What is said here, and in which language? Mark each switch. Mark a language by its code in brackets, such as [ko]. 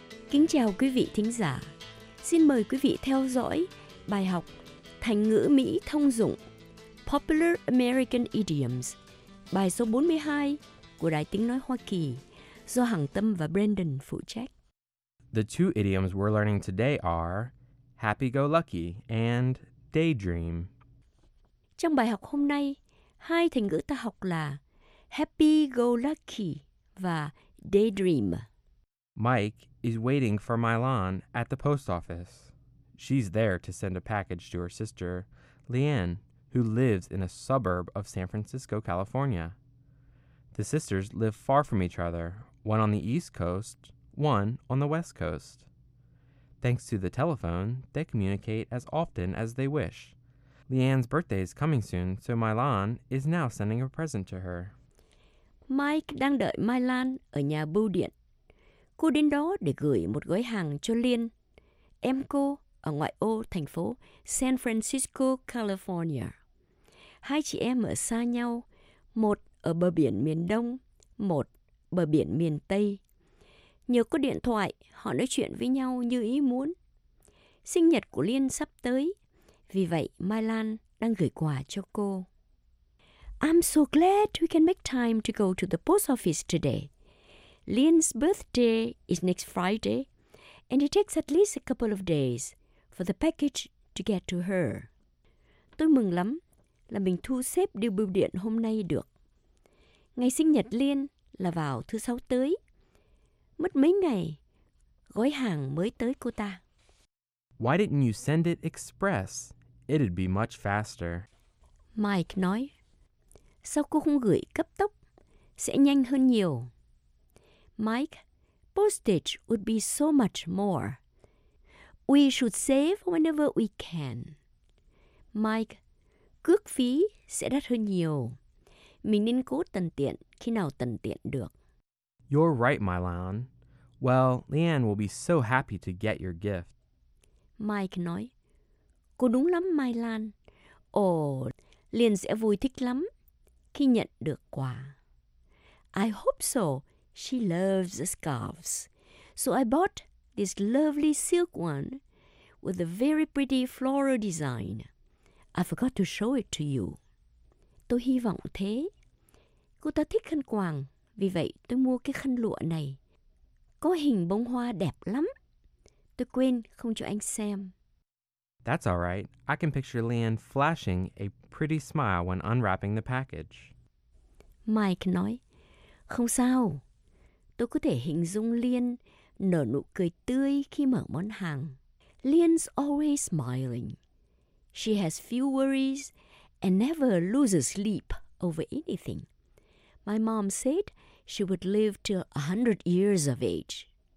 [vi] Kính chào quý vị thính giả. Xin mời quý vị theo dõi bài học thành ngữ Mỹ thông dụng Popular American Idioms, bài số 42 của Đài Tiếng Nói Hoa Kỳ, do Hằng Tâm và Brandon phụ trách. [en] The two idioms we're learning today are happy-go-lucky and daydream. [vi] Trong bài học hôm nay, hai thành ngữ ta học là happy-go-lucky và daydream. [en] Mike is waiting for Mylon at the post office. She's there to send a package to her sister, Leanne, who lives in a suburb of San Francisco, California. The sisters live far from each other, one on the East Coast, one on the West Coast. Thanks to the telephone, they communicate as often as they wish. Leanne's birthday is coming soon, so Mylon is now sending a present to her. [vi] Mike đang đợi Mylon ở nhà bưu điện. Cô đến đó để gửi một gói hàng cho Liên, em cô ở ngoại ô thành phố San Francisco, California. Hai chị em ở xa nhau, một ở bờ biển miền Đông, một bờ biển miền Tây. Nhờ có điện thoại, họ nói chuyện với nhau như ý muốn. Sinh nhật của Liên sắp tới, vì vậy Mylon đang gửi quà cho cô. [en] I'm so glad we can make time to go to the post office today. Lian's birthday is next Friday, and it takes at least a couple of days for the package to get to her. [vi] Tôi mừng lắm là mình thu xếp điều bưu điện hôm nay được. Ngày sinh nhật Lian là vào thứ sáu tới. Mất mấy ngày, gói hàng mới tới cô ta. [en] Why didn't you send it express? It'd be much faster. [vi] Mike nói, sao cô không gửi cấp tốc? Sẽ nhanh hơn nhiều. [en] Mike, postage would be so much more. We should save whenever we can. [vi] Mike, cước phí sẽ đắt hơn nhiều. Mình nên cố tận tiện khi nào tận tiện được. [en] You're right, Mylon. Well, Leanne will be so happy to get your gift. [vi] Mike nói, cô đúng lắm, Mylon. Ồ, Leanne sẽ vui thích lắm khi nhận được quà. [en] I hope so. She loves scarves, so I bought this lovely silk one with a very pretty floral design. I forgot to show it to you. [vi] Tôi hy vọng thế. Cô ta thích khăn quàng, vì vậy tôi mua cái khăn lụa này. Có hình bông hoa đẹp lắm. Tôi quên không cho anh xem. [en] That's all right. I can picture Leanne flashing a pretty smile when unwrapping the package. [vi] Mike nói, không sao. Tôi có thể hình dung Liên nở nụ cười tươi khi mở món hàng. [en] Liên's always smiling. She has few worries and never loses sleep over anything. My mom said she would live till 100 years of age.